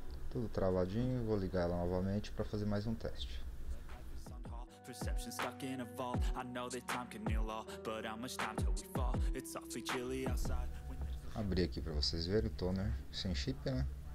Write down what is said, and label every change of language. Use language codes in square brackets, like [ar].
[pt] Tudo travadinho, vou ligar ela novamente para fazer mais um teste. [en] Perception stuck in a vault. I know that time can heal all, but how much time till we fall? It's awfully chilly outside. [pt] Abri aqui para vocês verem o toner sem chip, né?